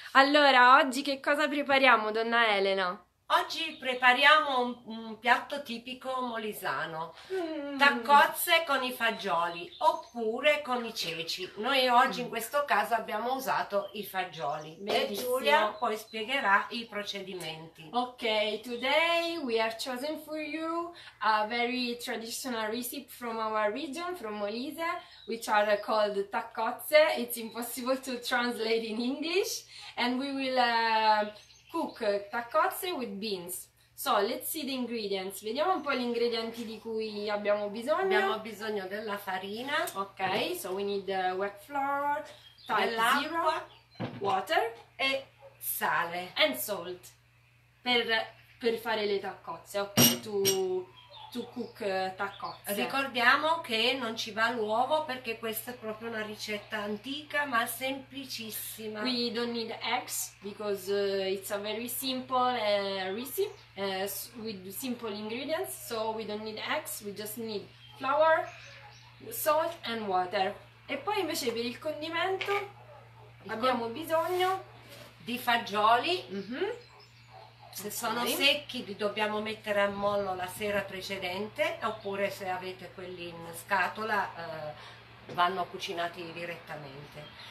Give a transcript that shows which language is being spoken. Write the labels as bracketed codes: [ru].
[it] Allora, oggi che cosa prepariamo, donna Elena? Oggi prepariamo un piatto tipico molisano, tacozze con i fagioli oppure con i ceci. Noi oggi in questo caso abbiamo usato i fagioli e Giulia Benissimo. poi spiegherà i procedimenti. [en] Okay, today we have chosen for you a very traditional recipe from our region, from Molise, which are called tacozze. It's impossible to translate in English. And we will cook tacozze with beans. So, let's see the ingredients. [it] Vediamo un po' gli ingredienti di cui abbiamo Abbiamo bisogno. bisogno della farina, [en] Okay, so we need wheat flour, type 0, [it] dell'acqua [en] water [it] e sale [en] and salt. [it] Per fare le taccozze, ok, [en] to cook taccozze. [it] Ricordiamo che non ci va l'uovo perché questa è proprio una ricetta antica ma semplicissima. [en] We don't need eggs because it's a very simple recipe with simple ingredients, so we don't need eggs, we just need flour, salt and water. [it] E poi invece per il condimento abbiamo bisogno Di fagioli, se sono secchi li dobbiamo mettere a mollo la sera precedente, oppure se avete quelli in scatola, vanno cucinati direttamente.